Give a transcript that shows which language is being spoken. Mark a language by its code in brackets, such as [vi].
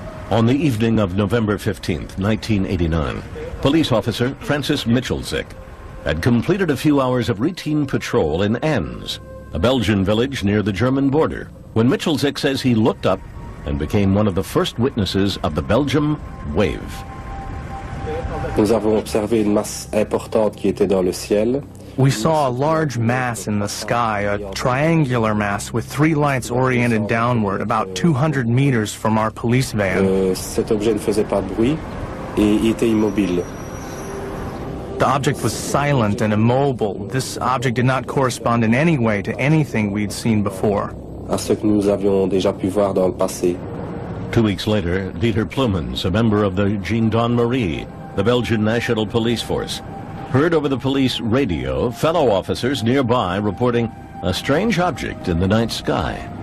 [en] On the evening of November 15th, 1989, police officer Francis Michelzik had completed a few hours of routine patrol in Enns, a Belgian village near the German border, when Michelzik says he looked up and became one of the first witnesses of the Belgium wave. [fr] Nous avons observé une masse importante qui était dans le ciel. [en] We saw a large mass in the sky, a triangular mass with three lights oriented downward, about 200 meters from our police van. [fr] Cet objet ne faisait pas de bruit et était immobile. [en] The object was silent and immobile. This object did not correspond in any way to anything we'd seen before. [fr] À ce que nous avions déjà pu voir dans le passé. [en] 2 weeks later, Dieter Plumans, a member of the Gendarmerie, the Belgian National Police Force, heard over the police radio fellow officers nearby reporting a strange object in the night sky.